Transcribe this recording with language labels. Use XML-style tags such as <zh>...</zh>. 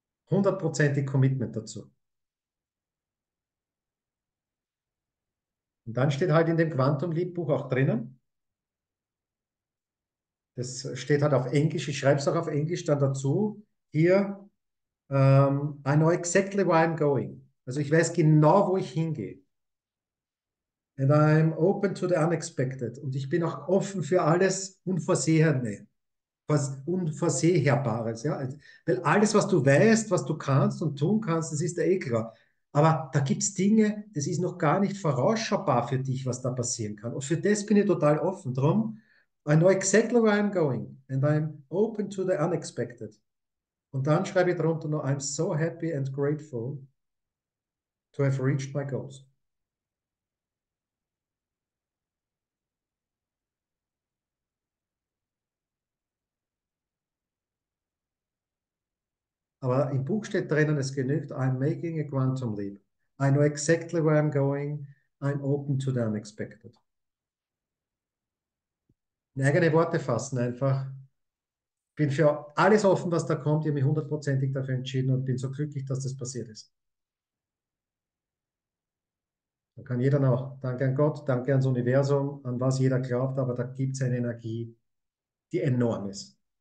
<de>Hundertprozentig Commitment dazu. Und dann steht halt in dem Quantum Leap Buch auch drinnen. Das steht halt auf Englisch. Ich schreibe es auch auf Englisch dann dazu.</de> <en>Hier, I know exactly where I'm going.</en> <de>Also ich weiß genau, wo ich hingehe.</de> <en>And I'm open to the unexpected.</en> <de>Und ich bin auch offen für alles Unvorsehene, was Unvorsehbares, ja. Weil alles, was du weißt, was du kannst und tun kannst, das ist ja eh klar. Aber da gibt es Dinge, das ist noch gar nicht vorausschaubar für dich, was da passieren kann. Und für das bin ich total offen.</de> <en>Drum, I know exactly where I'm going and I'm open to the unexpected.</en> <de>Und dann schreibe ich drunter noch,</de> <en>I'm so happy and grateful to have reached my goals.</en> <de>Aber im Buch steht drinnen, es genügt,</de> <en>I'm making a quantum leap. I know exactly where I'm going. I'm open to the unexpected.</en> <de>Eigene Worte fassen einfach. Bin für alles offen, was da kommt. Ich habe mich hundertprozentig dafür entschieden und bin so glücklich, dass das passiert ist. Da kann jeder noch, danke an Gott, danke ans Universum, an was jeder glaubt, aber da gibt es eine Energie, die enorm ist.</de>